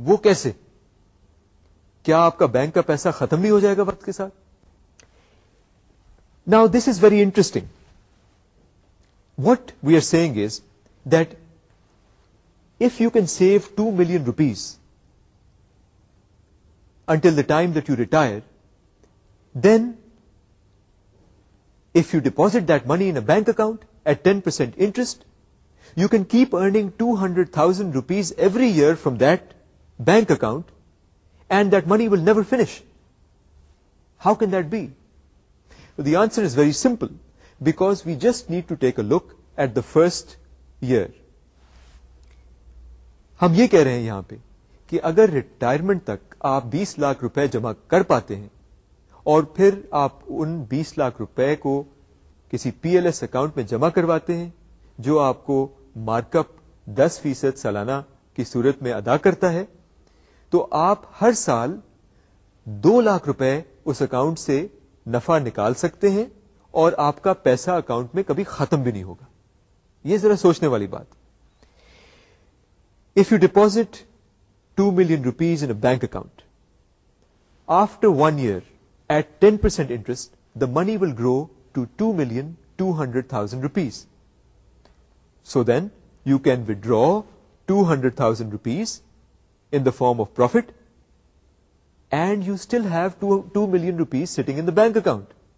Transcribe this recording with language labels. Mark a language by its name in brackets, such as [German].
[Urdu] وہ کیسے؟ کیا آپ کا بینک کا پیسہ ختم بھی ہو جائے گا وقت کے ساتھ؟ [English] Now this is very interesting. What we are seeing is that if you can save 2 million rupees until the time that you retire, then if you deposit that money in a bank account at 10% interest, you can keep earning 200,000 rupees every year from that bank account and that money will never finish. How can that be? The answer is very simple, because we just need to take a look at the first year. [Urdu] ہم یہ کہہ رہے ہیں یہاں پہ کہ اگر retirement تک آپ 20 لاکھ روپے جمع کر پاتے ہیں اور پھر آپ ان 20 لاکھ روپے کو کسی پی ایل ایس اکاؤنٹ میں جمع کرواتے ہیں جو آپ کو مارک اپ 10% سالانہ کی صورت میں ادا کرتا ہے, تو آپ ہر سال 2 لاکھ روپے اس اکاؤنٹ سے نفع نکال سکتے ہیں اور آپ کا پیسہ اکاؤنٹ میں کبھی ختم بھی نہیں ہوگا. یہ ذرا سوچنے والی بات. [English] If you deposit 2 million rupees in a bank account, after 1 year, at 10% interest, the money will grow to 2,200,000 rupees. So then, you can withdraw 200,000 rupees in the form of profit, and you still have 2 million rupees sitting in the bank account.